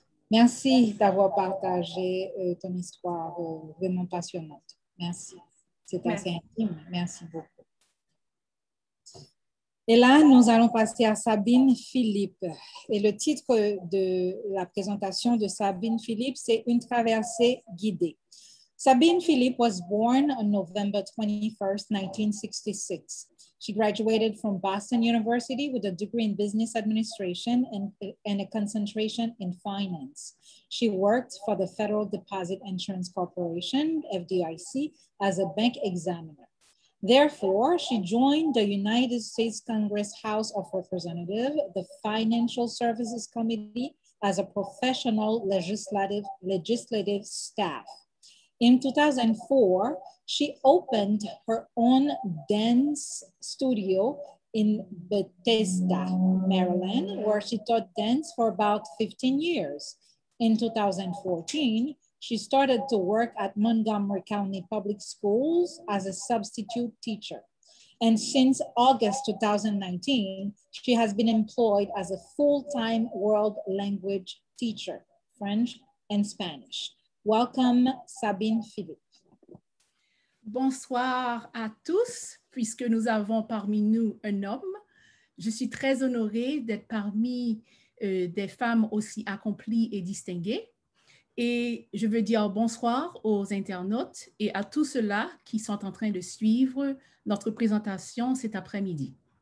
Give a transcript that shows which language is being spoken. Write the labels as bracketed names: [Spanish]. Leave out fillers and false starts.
[French] Merci d'avoir partagé ton histoire vraiment passionnante. Merci. C'est assez intime. Merci beaucoup. Et là, nous allons passer à Sabine Philippe. Et le titre de la présentation de Sabine Philippe, c'est « Une traversée guidée ». [English] Sabine Philippe was born on November 21st, 1966. She graduated from Boston University with a degree in business administration and a concentration in finance. She worked for the Federal Deposit Insurance Corporation, FDIC, as a bank examiner. Therefore, she joined the United States Congress House of Representatives, the Financial Services Committee, as a professional legislative staff. In 2004, she opened her own dance studio in Bethesda, Maryland, where she taught dance for about 15 years. In 2014, she started to work at Montgomery County Public Schools as a substitute teacher. And since August 2019, she has been employed as a full-time world language teacher, French and Spanish. Welcome, Sabine Philippe. [French] Bonsoir à tous, puisque nous avons parmi nous un homme. Je suis très honorée d'être parmi des femmes aussi accomplies et distinguées. Et je veux dire bonsoir aux internautes et à tous ceux-là qui sont en train de suivre notre présentation cet après-midi.